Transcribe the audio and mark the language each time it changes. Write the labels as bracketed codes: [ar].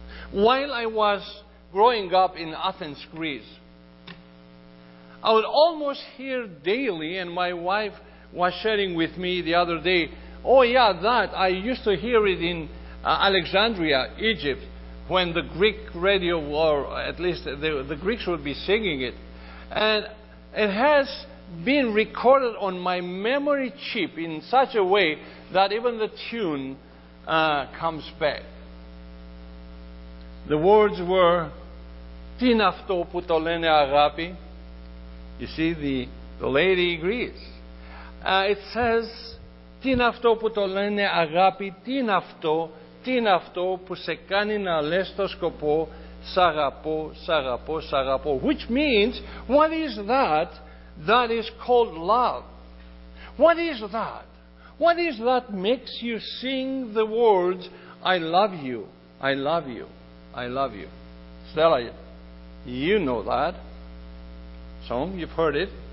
[en] While I was growing up in Athens, Greece, I would almost hear daily, and my wife was sharing with me the other day, "Oh yeah, that, I used to hear it in Alexandria, Egypt, when the Greek radio, or at least the Greeks would be singing it." And it has been recorded on my memory chip in such a way that even the tune comes back. The words were, [el] "Τι είναι αυτό που το λένε αγάπη?" [en] You see, the lady agrees. It says, [el] "Τι είναι αυτό που το λένε αγάπη, τι είναι αυτό, τι είναι αυτό που σε κάνει να λες το σκοπό, σ' αγαπώ, σ' αγαπώ, σ' αγαπώ." [en] Which means, what is that that is called love? What is that? What is that makes you sing the words, "I love you, I love you, I love you"? Stella, you know that song, you've heard it.